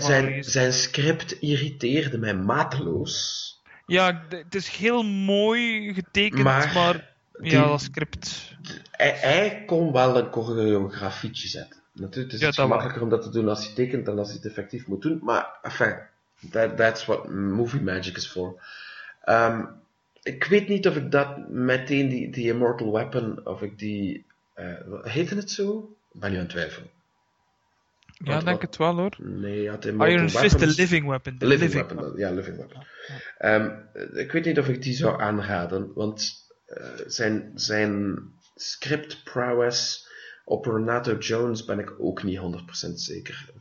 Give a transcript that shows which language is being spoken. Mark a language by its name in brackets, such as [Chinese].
[Dutch] gelezen. Zijn script irriteerde mij mateloos. Ja, het is heel mooi getekend, maar die, ja, dat script... Hij kon wel een choreografietje zetten. Natuurlijk is het gemakkelijker om dat te doen als hij tekent dan als hij het effectief moet doen. Maar, enfin, [English] that's what movie magic is for. [Dutch] Ik weet niet of ik dat meteen, die Immortal Weapon, of ik die... heette het zo? Ik ben nu aan het twijfelen. Ja, ik denk het wel, hoor. Nee, ja, Iron Fist, the living weapon. Living weapon. Ik weet niet of ik die zou aanraden, want zijn script prowess op Renato Jones ben ik ook niet 100% zeker.